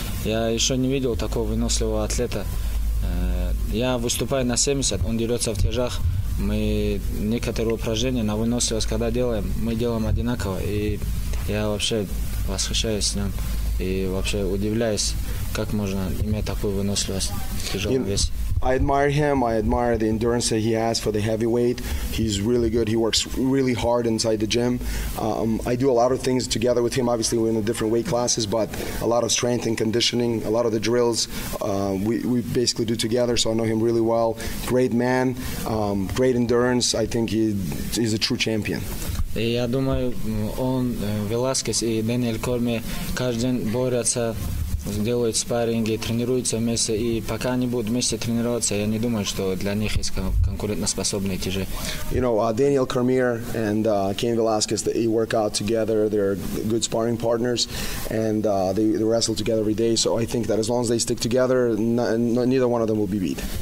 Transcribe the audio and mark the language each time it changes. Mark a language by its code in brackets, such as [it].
[ru] Я еще не видел такого выносливого атлета. Я выступаю на 70, он дерется в тяжах. Мы некоторые упражнения на выносливость, когда делаем, мы делаем одинаково. И я вообще восхищаюсь с ним и вообще удивляюсь, как можно иметь такую выносливость в тяжелом весе. [en] I admire him. I admire the endurance that he has for the heavyweight. He's really good. He works really hard inside the gym. I do a lot of things together with him. Obviously, we're in the different weight classes, but a lot of strength and conditioning, a lot of the drills we basically do together, so I know him really well. Great man, great endurance. I think he's a true champion. [ru] И я думаю, он, Веласкес и Дэниэль Корме каждый день борются, делают спарринги, тренируются вместе. И пока они будут вместе тренироваться, я не думаю, что для них есть конкурентоспособные те же. [en] You know, Daniel Cormier and Cain Velasquez, they work out together. They're good sparring partners, and they wrestle together every day. So I think that as long as they stick together, neither one of them will be beat.